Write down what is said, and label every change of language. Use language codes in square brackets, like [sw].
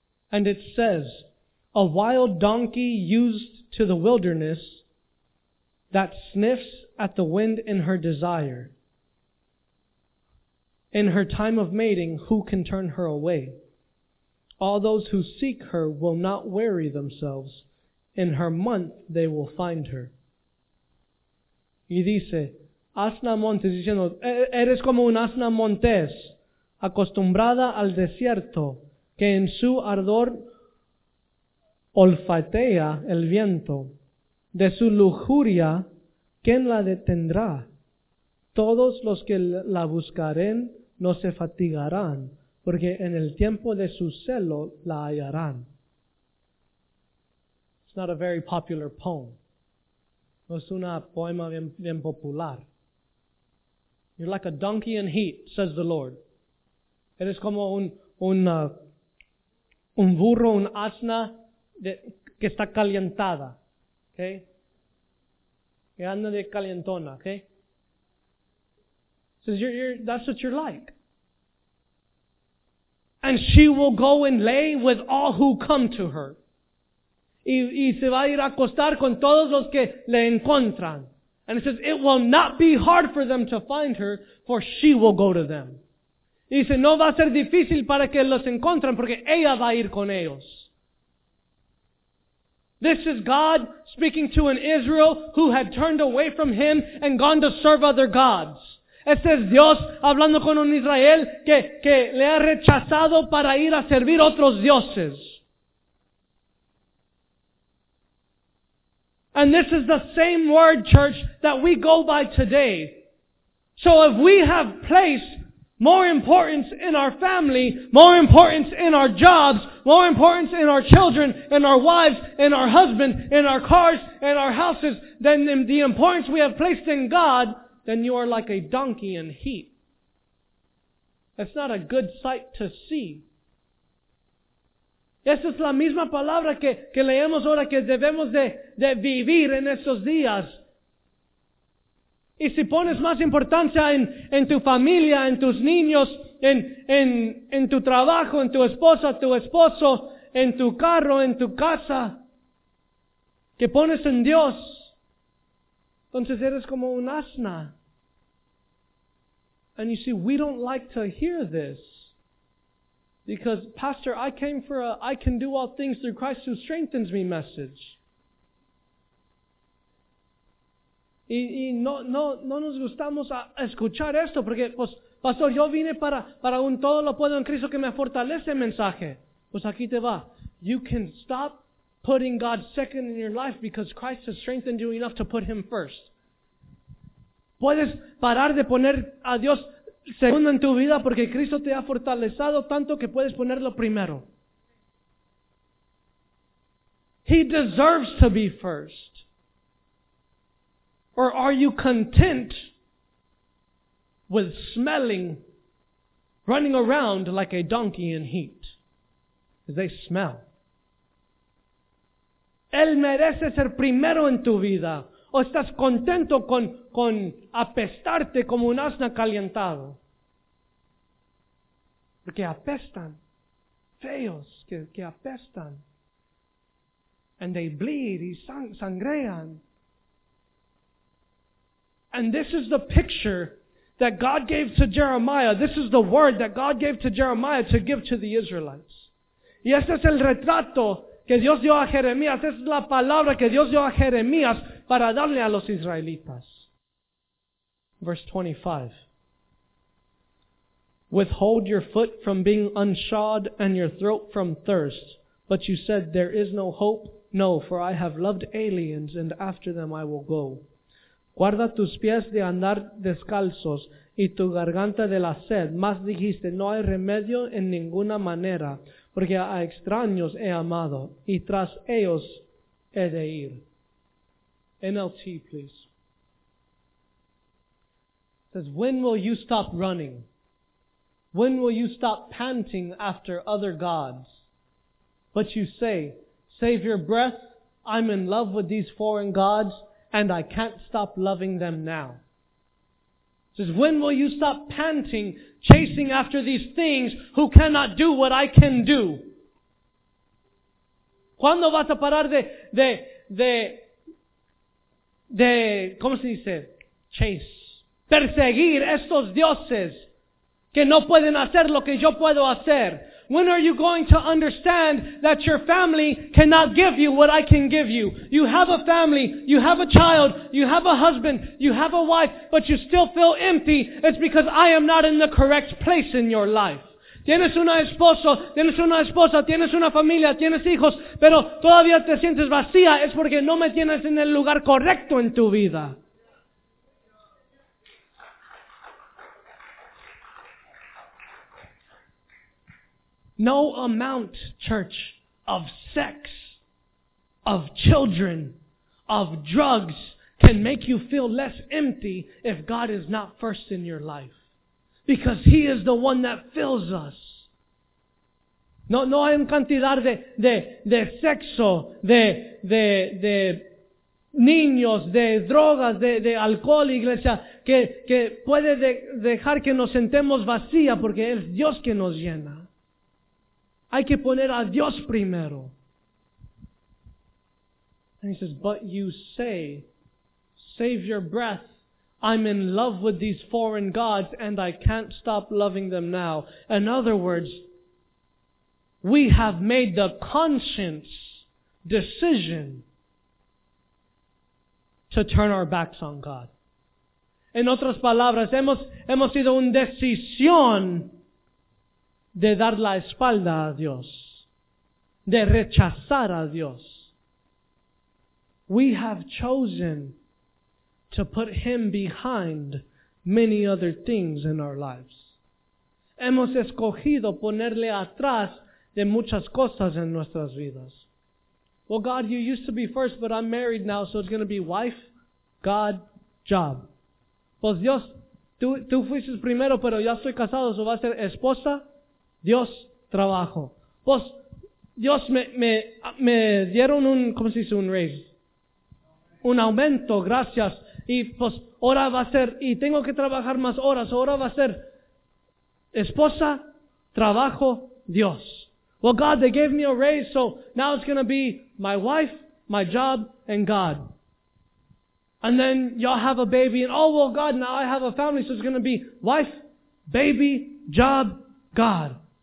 [en] And it says, a wild donkey used to the wilderness that sniffs at the wind in her desire. In her time of mating, who can turn her away? All those who seek her will not weary themselves. In her month, they will find her. [es] Y dice, asna montes, diciendo, eres como un asna montes, acostumbrada al desierto, que en su ardor olfatea el viento. De su lujuria ¿Quién la detendrá? Todos los que la buscaren no se fatigarán, porque en el tiempo de su celo la hallarán. [en] It's not a very popular poem. [es] No es una poema bien, bien popular. [en] You're like a donkey in heat, says the Lord. [es] Eres como un burro, un asna que está calentada. Okay? Que anda de calentona, okay? [en] Says that's what you're like. And she will go and lay with all who come to her. Y se va a ir a acostar con todos los que le encuentran. And it says, it will not be hard for them to find her, for she will go to them. Y dice, no va a ser difícil para que los encuentren, porque ella va a ir con ellos. This is God speaking to an Israel who had turned away from him and gone to serve other gods. Este es Dios hablando con un Israel que le ha rechazado para ir a servir otros dioses. And this is the same word, church, that we go by today. So if we have placed more importance in our family, more importance in our jobs, more importance in our children, in our wives, in our husband, in our cars, in our houses, than in the importance we have placed in God, then you are like a donkey in heat. It's not a good sight to see. [es] Esa es la misma palabra que leemos ahora que debemos de vivir en esos días. Y si pones más importancia en tu familia, en tus niños, en tu trabajo, en tu esposa, tu esposo, en tu carro, en tu casa, que pones en Dios, entonces eres como un asna. [en] And you see, we don't like to hear this. Because, Pastor, I came for a I can do all things through Christ who strengthens me message. [es] Y no nos gustamos a escuchar esto, porque, pues, Pastor, yo vine para un todo lo puedo en Cristo que me fortalece mensaje. Pues aquí te va. [en] You can stop putting God second in your life because Christ has strengthened you enough to put Him first. [es] Puedes parar de poner a Dios segundo en tu vida porque Cristo te ha fortalecido tanto que puedes ponerlo primero. [en] He deserves to be first. Or are you content with smelling, running around like a donkey in heat? Because they smell. [es] Él merece ser primero en tu vida. ¿O estás contento con apestarte como un asna calentado? Porque apestan, feos, que apestan. [en] And they bleed, [es] y sangrean. [en] And this is the picture that God gave to Jeremiah. This is the word that God gave to Jeremiah to give to the Israelites. [es] Y este es el retrato que Dios dio a Jeremías. Esta es la palabra que Dios dio a Jeremías para darle a los israelitas. [en] Verse 25. Withhold your foot from being unshod and your throat from thirst. But you said, there is no hope. No, for I have loved aliens and after them I will go. [es] Guarda tus pies de andar descalzos y tu garganta de la sed. Mas dijiste, no hay remedio en ninguna manera, porque a extraños he amado y tras ellos he de ir. [en] NLT, please. It says, when will you stop running? When will you stop panting after other gods? But you say, save your breath, I'm in love with these foreign gods, and I can't stop loving them now. It says, when will you stop panting, chasing after these things who cannot do what I can do? [es] ¿Cuándo vas a parar de ¿cómo se dice? Chase. Perseguir estos dioses que no pueden hacer lo que yo puedo hacer. [en] When are you going to understand that your family cannot give you what I can give you? You have a family, you have a child, you have a husband, you have a wife, but you still feel empty. It's because I am not in the correct place in your life. [es] Tienes un esposo, tienes una esposa, tienes una familia, tienes hijos, pero todavía te sientes vacía. Es porque no me tienes en el lugar correcto en tu vida. [en] No amount, church, of sex, of children, of drugs can make you feel less empty if God is not first in your life. Because He is the one that fills us. [es] No hay cantidad de sexo, de niños, de drogas, de alcohol, iglesia, que puede dejar que nos sentemos vacía porque es Dios que nos llena. Hay que poner a Dios primero. [en] And he says, but you say, save your breath, I'm in love with these foreign gods and I can't stop loving them now. In other words, we have made the conscience decision to turn our backs on God. [es] En otras palabras, hemos sido una decisión de dar la espalda a Dios, de rechazar a Dios. [en] We have chosen to put Him behind many other things in our lives. [es] Hemos escogido ponerle atrás de muchas cosas en nuestras vidas. [en] Well, God, you used to be first, but I'm married now, so it's going to be wife, God, job. [es] Pues Dios, tú fuiste primero, pero ya estoy casado, so va a ser esposa, Dios, trabajo. Pues Dios, me dieron un, ¿cómo se dice? Un raise. Un aumento, gracias. Y pues ahora va a ser, y tengo que trabajar más horas, ahora va a ser esposa, trabajo, Dios. [en] Well, God, they gave me a raise, so now it's going to be my wife, my job, and God. And then y'all have a baby, and oh, well, God, now I have a family, so it's going to be wife, baby, job, God.